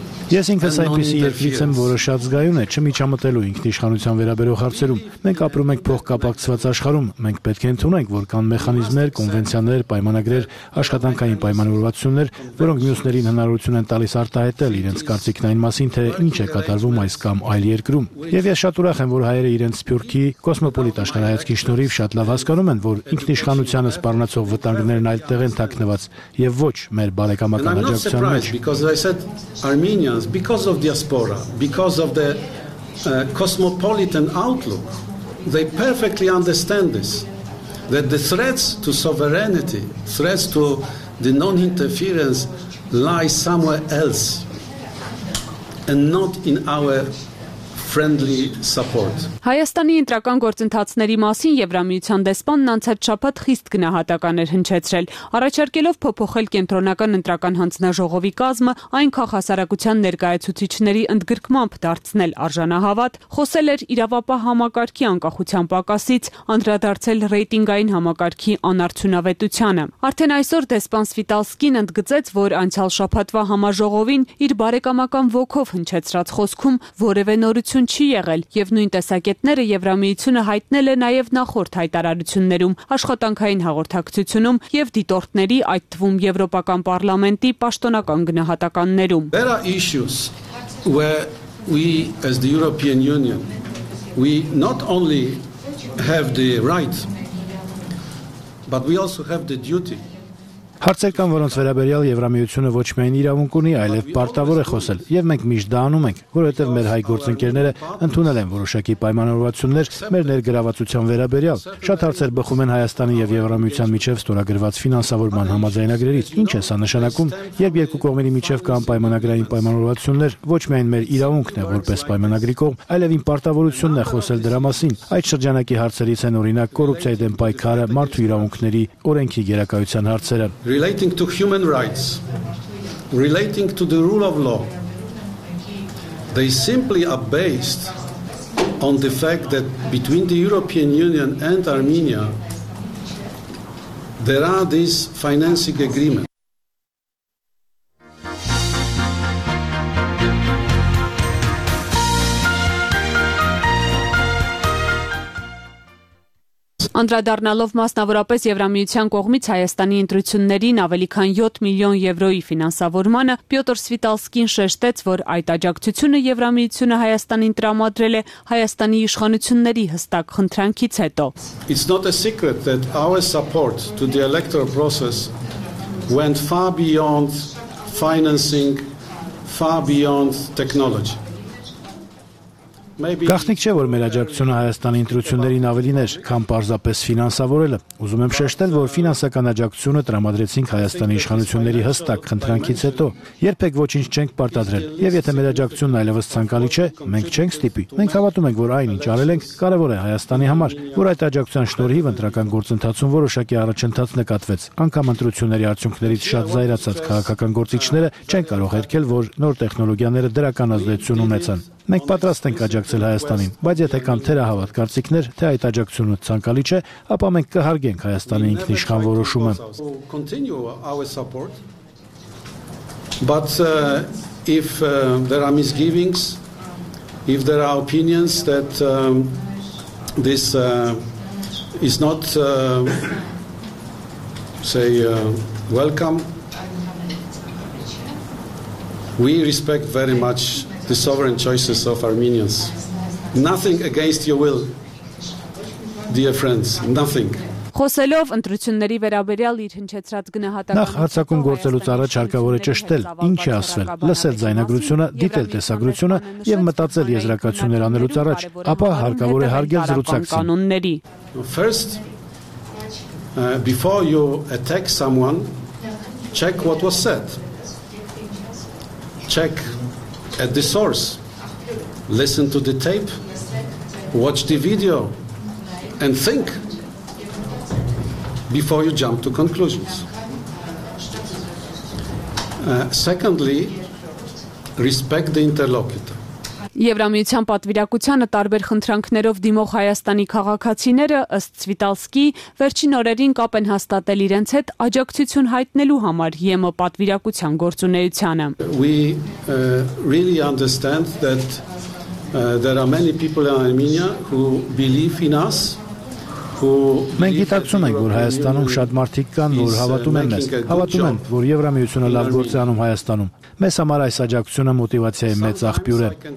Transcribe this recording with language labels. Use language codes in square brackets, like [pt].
[hy] Ես ինքս այնպիսի երկրից եմ, որը շատ զգայուն է չմիջամտելու ինքնիշխանության վերաբերող հարցերում։ Մենք ապրում ենք փոխկապակցված աշխարհում, մենք պետք է ընդունենք, որ կան մեխանիզմներ, կոնվենցիաներ, պայմանագրեր, աշխատանքային պայմանավորվածություններ, որոնք մյուսներին հնարավորություն են տալիս արտահայտել իրենց կարծիքն այն մասին, թե ինչ է կատարվում այս կամ այլ երկրում։ Եվ ես շատ ուրախ եմ, որ հայերը իրենց սփյուռքի կոսմոպոլիտ աշխարհայացքի շնորհիվ շատ լավ հասկանում են, որ ինքնիշխանությանը սպառնացող վտանգներն այլտեղ են թաքնված եւ ոչ մեր բարեկամական աջակցության մեջ։ [en] Because of diaspora, because of the cosmopolitan outlook, they perfectly understand this, that the threats to sovereignty, threats to the non-interference lie somewhere else and not in our friendly support. [hy] Հայաստանի ընտրական գործընթացների մասին Եվրամիության դեսպանն անցած շաբաթ խիստ գնահատականներ հնչեցրել, առաջարկելով փոփոխել կենտրոնական ընտրական հանձնաժողովի կազմը, այն քաղհասարակության ներկայացուցիչների ընդգրկմամբ դարձնել արժանահավատ, խոսել էր իրավապահ համակարգի անկախության պակասից, անդրադարձել ռեյտինգային համակարգի անարդյունավետությանը։ Արդեն այսօր դեսպան Սվիտալսկին ընդգծեց, որ անցյալ շաբաթվա համաժողովին իր բարեկամական ոգով հնչեցրած խոսքում որևէ նորություն չի եղել, եւ նույնպես Սակետները Եվրամիությունը հայտնել է նաև նախորդ հայտարարություններում, աշխատանքային հաղորդակցությունում և դիտորդների, այդ թվում Եվրոպական պարլամենտի պաշտոնական գնահատականներում։ [en] There are issues where we as the European Union, we not only have the right, but we also have the duty. [hy] Հարցեր կան, որոնց վերաբերյալ Եվրամիությունը ոչ միայն իրավունք ունի, այլև պարտավոր է խոսել, եւ մենք միշտ դա անում ենք, որովհետեւ մեր հայ գործընկերները ընդունել են որոշակի պայմանավորվածություններ մեր ներգրավվածության վերաբերյալ։ Շատ հարցեր բխում են Հայաստանի եւ Եվրամիության միջև ստորագրված ֆինանսավորման համաձայնագրերից։ Ինչ է սա նշանակում, երբ երկու կողմերի միջև կան պայմանագրային պայմանավորվածություններ, ոչ միայն մեր իրավունքն է որպես պայմանագրի կողմ, այլև իմ պարտավորությունն է խոսել դրա մասին։ Այդ շրջանակի հարցերից են օրինակ կոռուպցիայի դեմ պայքարը, մարդու իրավունքների օրենքի գերակայության հարցերը։ [en] Relating to human rights, relating to the rule of law, they simply are based on the fact that between the European Union and Armenia there are these financing agreements. [hy] Անդրադառնալով մասնավորապես Եվրամիության կողմից Հայաստանի ընտրություններին ավելի քան 7 միլիոն եվրոյի ֆինանսավորմանը, Պյոտր Սվիտալսկին շեշտեց, որ այդ աջակցությունը Եվրամիությունը Հայաստանին տրամադրել է Հայաստանի իշխանությունների հստակ խնդրանքից հետո։ [en] It's not a secret that our support to the electoral process went far beyond financing, far beyond technology. [hy] Գաղտնիք չէ, որ մեր աջակցությունը Հայաստանի ընտրություններին ավելին էր, քան պարզապես ֆինանսավորելը։ Ուզում եմ շեշտել, որ ֆինանսական աջակցությունը տրամադրեցինք Հայաստանի իշխանությունների հստակ խնդրանքից հետո։ Երբեք ոչինչ չենք պարտադրել, եւ եթե մեր աջակցությունն այլևս ցանկալի չէ, մենք չենք ստիպի։ Մենք հավատում ենք, որ այն, ինչ արել ենք, կարևոր է Հայաստանի համար, որ այդ աջակցության շնորհիվ ընտրական գործընթացում որոշակի առաջընթաց նկատվեց։ Անկամ ընտրությունների արդյունքներից շատ զայրացած քաղաքական գործիչները չեն կարող երկել, որ նոր տեխնոլոգիաները դրական ազդեցություն ունեցան։ Մենք պատրաստ ենք աջակցել Հայաստանին, բայց եթե կան թերահավատ կարծիքներ, թե այդ աջակցությունը ցանկալի չէ, ապա մենք կհարգենք Հայաստանի ինքնիշխան որոշումը։ [en] But if there are misgivings, if there are opinions that this is not say welcome, we respect very much the sovereign choices of Armenians. Nothing against your will, dear friends, nothing. [hy] Խոսելով ընտրությունների վերաբերյալ իր հնչեցրած գնահատականը, նախ հարցակում գործելուց առաջ հարկավոր է ճշտել, ինչ է ասվել, լսել ձայնագրությունը, դիտել տեսագրությունը եւ մտածել եզրակացություններ անելուց առաջ, ապա հարկավոր է հարգել զրուցակիցների։ [en] First, before you attack someone, check what was said. Check at the source. Listen to the tape. Watch the video and think before you jump to conclusions. Secondly, respect the interlocutor. [hy] Եվրամիության պատվիրակությանը տարբեր խնդրանքներով դիմող Հայաստանի քաղաքացիները, ըստ Սվիտալսկի, վերջին օրերին կապ են հաստատել իրենց հետ աջակցություն հայտնելու համար ԵՄ պատվիրակության գործունեությանը. [en] We really understand that there are many people in Armenia who believe in us. [hy] Մենք գիտակցում ենք, որ Հայաստանում շատ մարդիկ կան, որ հավատում են մեզ, հավատում են, որ Եվրամիությունը լավ գործ է անում Հայաստանում։ Մեզ համար այս աջակցությունը մոտիվացիայի մեծ աղբյուր է։